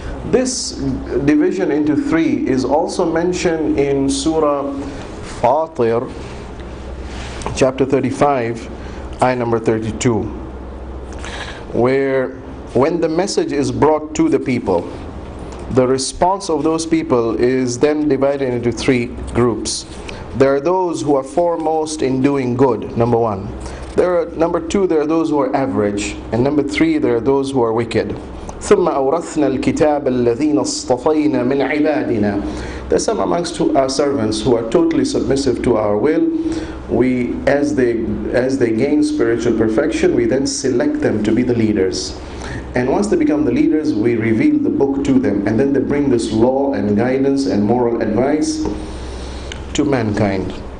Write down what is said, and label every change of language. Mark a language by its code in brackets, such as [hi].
[en] This division into three is also mentioned in Surah Fatir, chapter 35, ayah number 32, where when the message is brought to the people, the response of those people is then divided into three groups. There are those who are foremost in doing good, number one. There are number two, there are those who are average, and number three, there are those who are wicked. [ar] ثم أورثنا الكتاب الذين اصطفينا من عبادنا. [en] There are some amongst our servants who are totally submissive to our will. We, as they gain spiritual perfection, we then select them to be the leaders. And once they become the leaders, we reveal the book to them, and then they bring this law and guidance and moral advice to mankind.